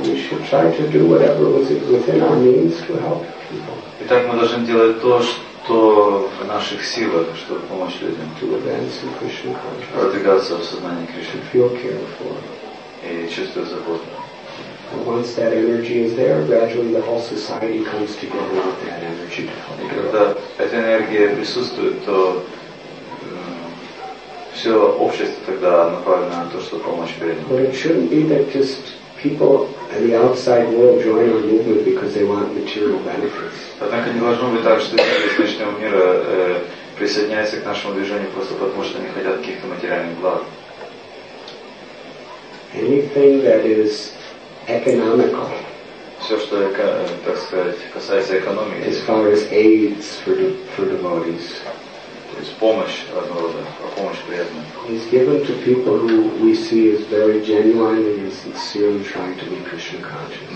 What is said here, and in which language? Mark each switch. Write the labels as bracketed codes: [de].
[en] we should try to do whatever was within our means to help people. [ru] Итак, мы должны делать то, что в наших силах, чтобы помочь людям. [en] To advance in Krishna consciousness. [ru] Продвигаться в сознании Кришны. [en] To feel cared for. [ru] И чувствовать заботу. [en] And once that energy is there, gradually the whole society comes together with that energy to help. [ru] И когда эта энергия присутствует, то все общество тогда направлено на то, чтобы помочь людям. [en] But it shouldn't be that just people in the outside world join our movement because they want material benefits. [ru] Однако не должно быть так, что люди из внешнего мира присоединяются к нашему движению просто потому, что они хотят каких-то материальных благ. [en] Anything that is economical. [ru] Все, что, так сказать, касается экономики. [en] As far as aids for devotees. [ru] То есть помощь одного рода, а помощь преданным. [en] Is given to people who we see as very genuine and sincerely trying to be Krishna conscious.